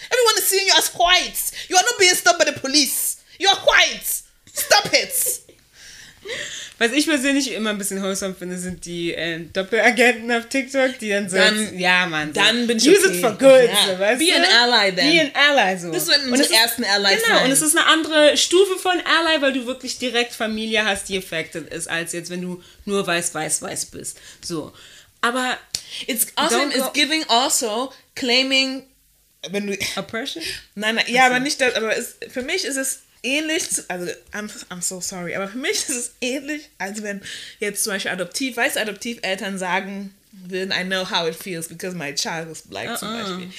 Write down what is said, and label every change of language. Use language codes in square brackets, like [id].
[en] Everyone is seeing you as white. You are not being stopped by the police. You are white. Stop it! [de] Was ich persönlich immer ein bisschen wholesome finde, sind die Doppelagenten auf TikTok, die dann so... Dann, ja, Mann. So, dann bin ich [en] use okay. It for good, [de] weißt du? [en] Be an ally, then. Be an ally, so. [de] Das wird unsere ersten Ally sein. Genau, und es ist eine andere Stufe von Ally, weil du wirklich direkt Familie hast, die affected ist, als jetzt, wenn du nur weiß bist. So. Aber... [en] It's awesome, it's giving also claiming... [de] Wenn du, [en] oppression? [de] Nein, ja, aber nicht... Aber für mich ist es... Ähnlich, also [en] I'm so sorry, [de] aber für mich ist es ähnlich, als wenn jetzt zum Beispiel Adoptiveltern sagen würden, [en] I know how it feels because my child is black, [de] zum Beispiel.